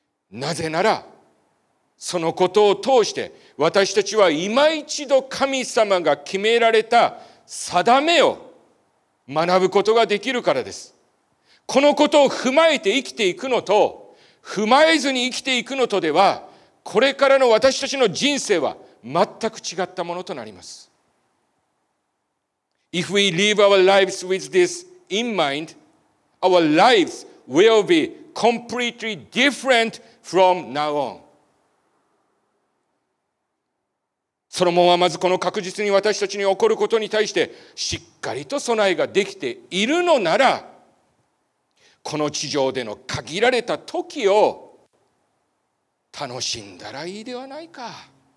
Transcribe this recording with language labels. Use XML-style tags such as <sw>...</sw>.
<ja>なぜならそのことを通して私たちは今一度神様が決められた定めを学ぶことができるからです。このことを踏まえて生きていくのと踏まえずに生きていくのとでは、これからの私たちの人生は全く違ったものとなります。</ja> <en>If we live our lives with this in mind, our lives will be completely differentFrom now on.</en> <ja>ソロモンはまずこの確実に私たちに起こることに対してしっかりと備えができているのなら、この地上での限られた時を楽しんだらいいではないか。</ja>